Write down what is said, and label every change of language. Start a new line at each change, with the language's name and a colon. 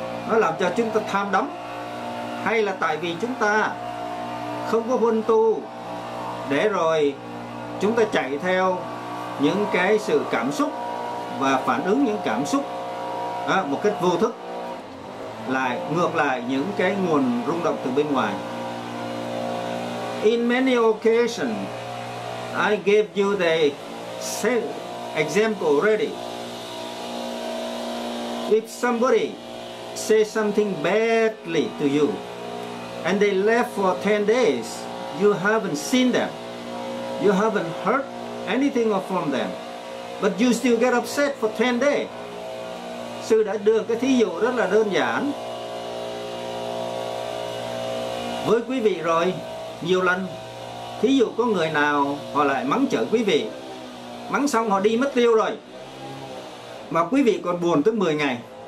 Vietnamese: nó làm cho chúng ta tham đắm, hay là tại vì chúng ta không có huân tu để rồi chúng ta chạy theo những cái sự cảm xúc và phản ứng những cảm xúc một cách vô thức, lại ngược lại những cái nguồn rung động từ bên ngoài.
English: In many occasions, I gave you the same example already. If somebody says something badly to you and they left for 10 days, you haven't seen them, you haven't heard anything from them, but you still get upset for 10 days.
Vietnamese: Sư đã đưa cái thí dụ rất là đơn giản với quý vị rồi nhiều lần. Thí dụ có người nào họ lại mắng chửi quý vị, mắng xong họ đi mất tiêu rồi, mà quý vị còn buồn tới 10 ngày.